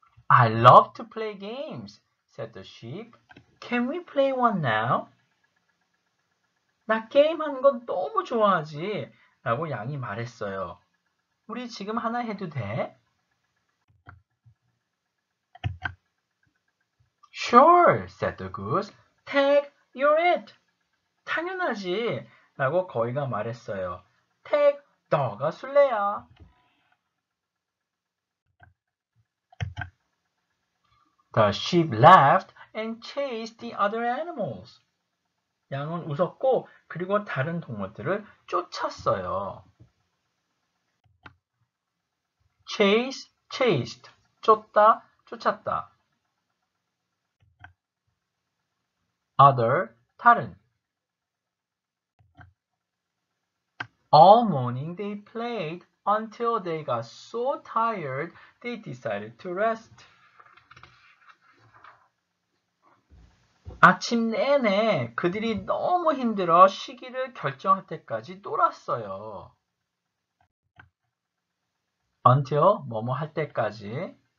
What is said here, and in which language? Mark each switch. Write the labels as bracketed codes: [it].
[en] I love to play games, said the sheep. Can we play one now? [ko] 나 게임하는 건 너무 좋아하지, 라고 양이 말했어요. 우리 지금 하나 해도 돼? [en] Sure, said the goose. Tag, you're it. [ko] 당연하지, 라고 거위가 말했어요. Tag, 너가 술래야. [en] The sheep laughed and chased the other animals. [ko] 양은 웃었고, 그리고 다른 동물들을 쫓았어요. [en] Chase, chased. [ko] 쫓다, 쫓았다. [en] Other, 다른. All morning they played until they got so tired they decided to rest. [ko] 아침 내내 그들이 너무 힘들어 쉬기를 결정할 때까지 놀았어요. Until, 뭐뭐 할 때까지.